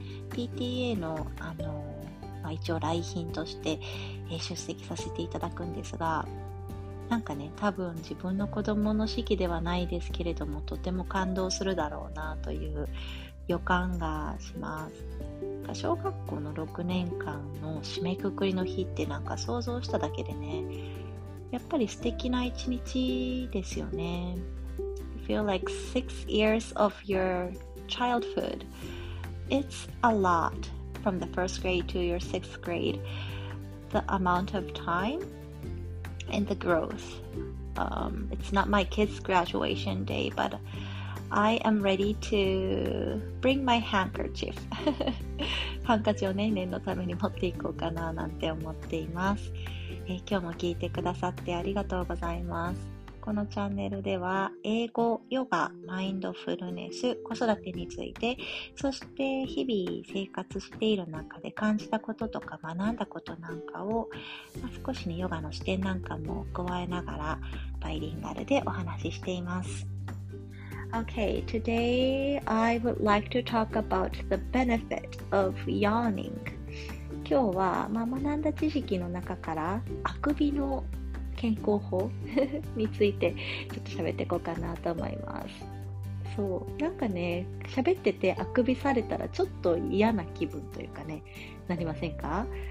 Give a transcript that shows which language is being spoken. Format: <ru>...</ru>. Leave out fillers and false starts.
<ja>PTA の、一応来賓として、出席させていただくんですが、なんかね、多分自分の子供の式ではないですけれども、とても感動するだろうなという予感がします。小学校の6年間の締めくくりの日って、なんか想像しただけでね、やっぱり素敵な一日ですよね。</ja> <en>I feel like 6 years of your childhood. It's a lot from the first grade to your 6th grade. The amount of timeAnd the growth. It's not my kids' graduation day, but I am ready to bring my handkerchief.</en> <ja>ハンカチをね、念のために持っていこうかななんて思っています。今日も聞いてくださってありがとうございます。このチャンネルでは、英語、ヨガ、マインドフルネス、子育てについて、そして日々生活している中で感じたこととか学んだことなんかを、少しね、ヨガの視点なんかも加えながら、バイリンガルでお話ししています。</ja> <en>Okay, today I would like to talk about the benefit of yawning.</en> <ja>今日は、学んだ知識の中から、あくびの健康法についてちょっと喋っていこうかなと思います。そう、なんかね、喋っててあくびされたらちょっと嫌な気分というかね、なりませんか？</ja>